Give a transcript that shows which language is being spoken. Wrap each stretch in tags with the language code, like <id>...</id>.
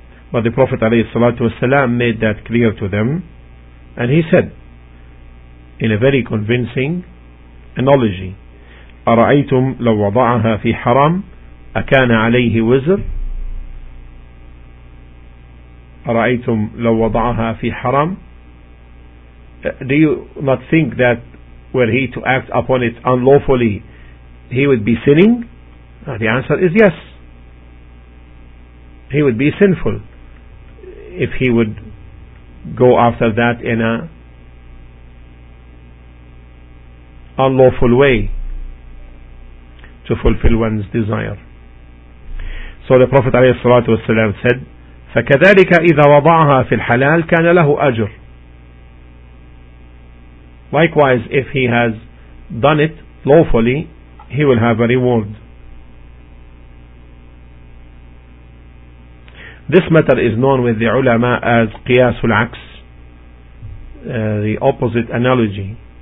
<en>But the Prophet ﷺ made that clear to them, and he said in a very convincing analogy,</en> <ar>أَرَأَيْتُمْ لَوْ وَضَعَهَا فِي حَرَامٍ أكان عليه وزر؟ أرأيتم لو وضعها في حرام؟</ar> <en>Do you not think that were he to act upon it unlawfully, he would be sinning? The answer is yes. He would be sinful if he would go after that in a unlawful way to fulfill one's desire. So the Prophet</en> <ar>عليه الصلاة والسلام</ar> <en>said,</en> <ar>فكذلك إذا وضعها في الحلال كان له أجر.</ar> <en>Likewise, if he has done it lawfully, he will have a reward. This matter is known with the ulama as قياس العكس, the opposite analogy.</en>